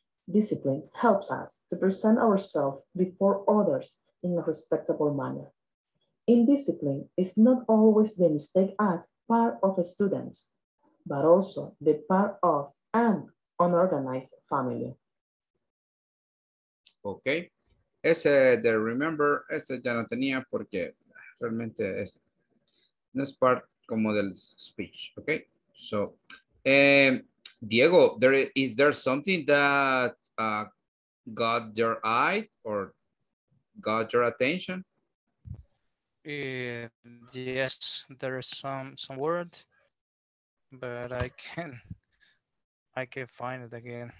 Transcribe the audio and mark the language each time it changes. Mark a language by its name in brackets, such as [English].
[English] Discipline helps us to present ourselves before others in a respectable manner. Indiscipline is not always the mistake at part of the students, but also the part of an unorganized family. Okay. [Spanish] Ese de remember, ese ya no tenía porque realmente es, no es part como del speech. [English] Okay. So, Diego, is there something that got your eye or got your attention? Yes, there is some word, but I can find it again.